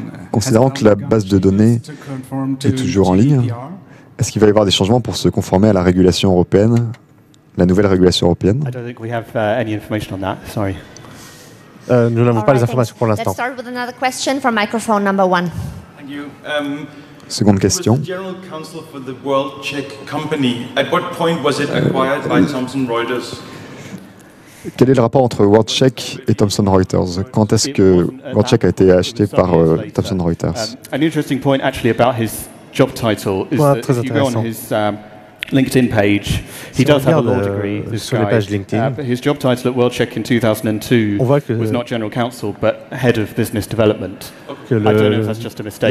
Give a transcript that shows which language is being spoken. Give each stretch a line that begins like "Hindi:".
French: Considérant que la base de données est toujours en ligne, est-ce qu'il va y avoir des changements pour se conformer à la régulation européenne? La nouvelle régulation européenne.
English: I don't think we have any information on that. Sorry.
French: Nous n'avons pas les informations pour l'instant.
English: Let's start with another question from microphone number one. Thank you.
French: Seconde question.
English: The General Counsel for the World Check Company. At what point was it acquired by Thomson Reuters?
French: Quel est le rapport entre World Check et Thomson Reuters? Quand est-ce que World Check a été acheté par Thomson Reuters?
English: An interesting point actually about his job title is that if you go on his LinkedIn page. He does have a law degree.
French: Sur les pages LinkedIn.
English: But his job title at World Check in 2002 was not general counsel, but head of business development.
French: Que
English: I don't know if that's just a mistake.